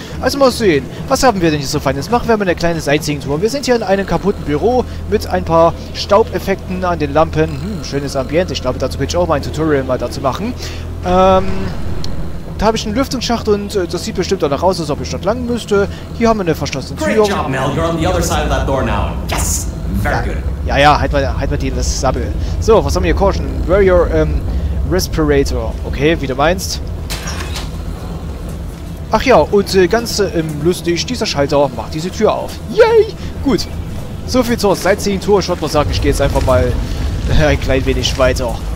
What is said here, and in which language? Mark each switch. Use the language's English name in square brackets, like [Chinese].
[German] Also mal sehen, was haben wir denn hier so Feines? Machen wir mal eine kleine Sightseeing-Tour. Wir sind hier in einem kaputten Büro mit ein paar Staubeffekten an den Lampen. Schönes Ambiente, ich glaube, dazu könnte ich auch mal ein Tutorial mal dazu machen. Da habe ich einen Lüftungsschacht und das sieht bestimmt danach aus, als ob ich dort lang müsste. Hier haben wir eine verschlossene Tür. [English] Great job, Mel, you're on the other side of that door now. Yes! Very good. [German] Ja, ja, halt mal die das Sabbel. So, was haben wir hier? [English] Caution. Wear your respirator. [German] Okay, wie du meinst. Ach ja, und ganz lustig, dieser Schalter macht diese Tür auf. Yay! Gut. So viel zur Sightseeing-Tour. Ich wollte mal sagen, ich gehe jetzt einfach mal ein klein wenig weiter.